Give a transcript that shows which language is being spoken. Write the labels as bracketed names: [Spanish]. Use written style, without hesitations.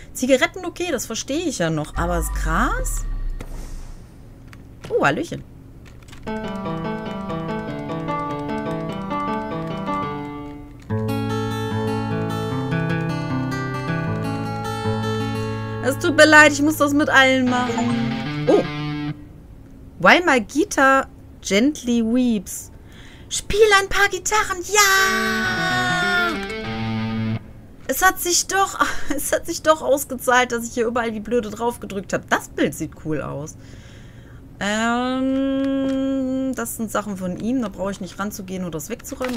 [German] Zigaretten, okay, das verstehe ich ja noch. Aber das Gras? Oh, Hallöchen. Es tut mir leid, ich muss das mit allen machen. Oh. [English] While my guitar gently weeps. [German] Spiel ein paar Gitarren. Ja! Es hat sich doch ausgezahlt, dass ich hier überall die Blöde draufgedrückt habe. Das Bild sieht cool aus. Das sind Sachen von ihm. Da brauche ich nicht ranzugehen oder das wegzuräumen.